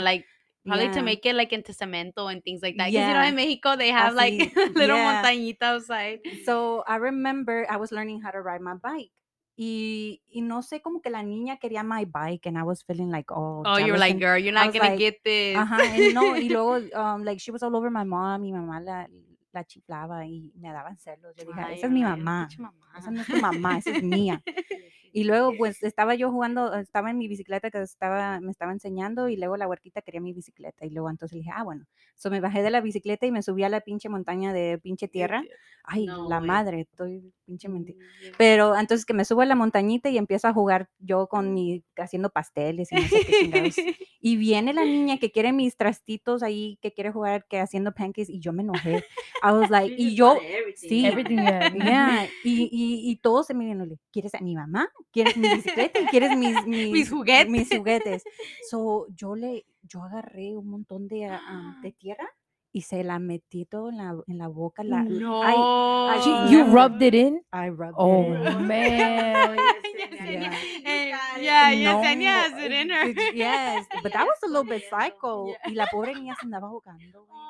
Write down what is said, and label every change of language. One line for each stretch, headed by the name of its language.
English: Like probably to make it like into cemento and things like that. Because you know, in Mexico, they have así, like a little montañita outside. So I remember I was learning how to ride my bike.
Spanish: Y no sé, como que la niña quería
English: my bike and I was feeling like, oh you're like, girl, you're not gonna get this. Uh-huh. And no,
Spanish: y luego,
English: like she was all over my mom.
Spanish: Mi mamá la chiflaba y me daban celos. Yo dije, esa es mi mamá. Esa no es tu mamá, esa es mía. Y luego, pues, estaba yo jugando, estaba en mi bicicleta que me estaba enseñando y luego la huerquita quería mi bicicleta. Y luego, entonces, dije, bueno. So, me bajé de la bicicleta y me subí a la pinche montaña de pinche tierra. Ay, no, la madre, estoy pinche mentira. Pero, entonces, que me subo a la montañita y empiezo a jugar yo con mi, haciendo pasteles y no sé qué chingados. Y viene la niña que quiere mis trastitos ahí, que quiere jugar, que haciendo pancakes. Y yo me enojé.
English: I was like,
Spanish: y yo, sí.
English: Everything, yeah.
Spanish: Y todos se me vienen, ¿quieres a mi mamá? ¿Quieres mi bicicleta? ¿Quieres mis juguetes? Mis juguetes. So, yo agarré un montón de tierra y se la metí todo en la boca. La, no.
English: You rubbed it in? I rubbed in. Oh, man. Yesenia has it in her. Yes, but that was a little bit psycho.
Spanish: Yeah. Y la pobre niña se andaba ahogando.